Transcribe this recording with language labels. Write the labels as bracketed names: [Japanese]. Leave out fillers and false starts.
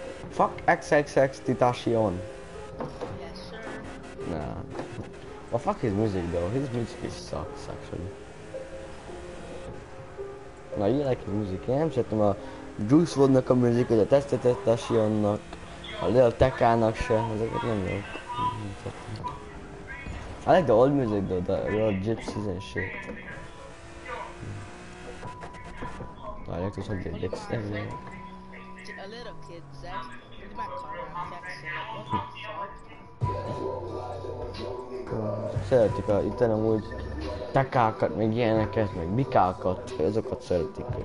[English] Fuck XXX Tentacion. Yes, sir. Nah. Well, fuck his music though. His music sucks, actually. [Hungarian] Na, [English] you like music, [Hungarian] nem szeretem a Juice WRLD-nak a music, vagy a Tentacionnak, a Lil Tekának se, ezeket nem jó. [English] I like the old music though, the real gypsies and shit. I like to talk to the gypsies and shit. A little kid, Zach. Look at my car, I'm texting. [Hungarian] Szeretik a itten amúgy tekákat, meg ilyeneket, meg mikákat, ezeket szeretik.